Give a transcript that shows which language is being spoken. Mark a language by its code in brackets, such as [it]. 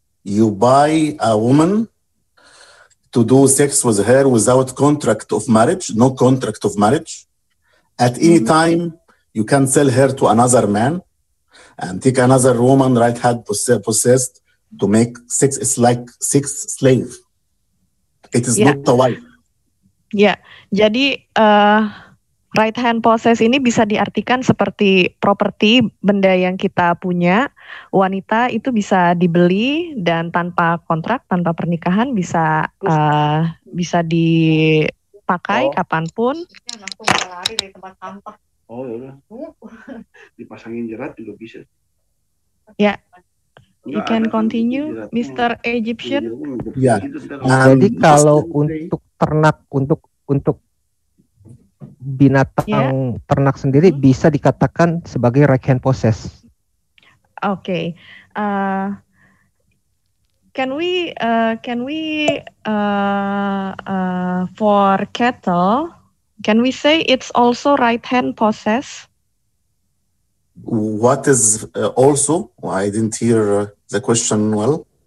[en] You buy a woman to do sex with her without contract of marriage, no contract of marriage. At any time, you can sell her to another man and take another woman right hand possessed to make sex. It's like sex slave. It is not a wife. Yeah. [id] Jadi right hand possess ini bisa diartikan seperti properti, benda yang kita punya. Wanita itu bisa dibeli dan tanpa kontrak, tanpa pernikahan bisa bisa di pakai kapanpun. Dipasangin jerat juga bisa. [en] Ya. Yeah. You can continue, Mr. Egyptian. Ya. Yeah. [id] Jadi kalau untuk ternak, untuk binatang ternak sendiri bisa dikatakan sebagai right hand possess. Oke. [en] For cattle, can we say it's also right hand possess? What is also? I didn't hear the question well.